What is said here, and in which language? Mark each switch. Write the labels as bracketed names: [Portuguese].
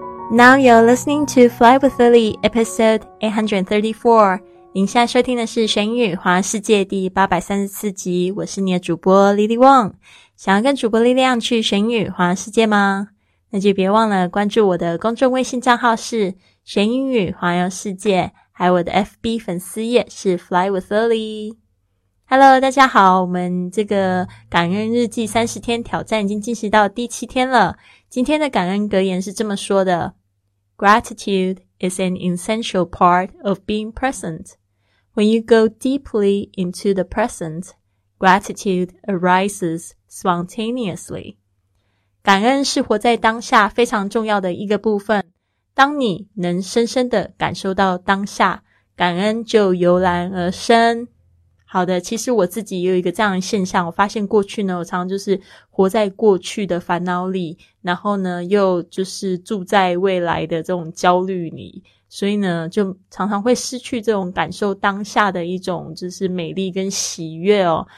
[English] Now you're listening to Fly with Lily, episode 834. [Chinese] 您现在收听的是玄语华世界第834集，我是你的主播 Lily Wong。想要跟主播力量去玄语华世界吗？那就别忘了关注我的公众微信账号是玄英语环游世界，还有我的 FB 粉丝页是 Fly with Lily。 Hello, 大家好，我们这个感恩日记30天挑战已经进行到第7天了。今天的感恩格言是这么说的 [English] Gratitude is an essential part of being present. When you go deeply into the present, gratitude arises spontaneously. [Chinese] 感恩是活在当下非常重要的一个部分。当你能深深的感受到当下，感恩就油然而生。好的，其实我自己也有一个这样的现象，我发现过去呢，我常常就是活在过去的烦恼里，然后呢，又就是住在未来的这种焦虑里，所以呢，就常常会失去这种感受当下的一种就是美丽跟喜悦哦。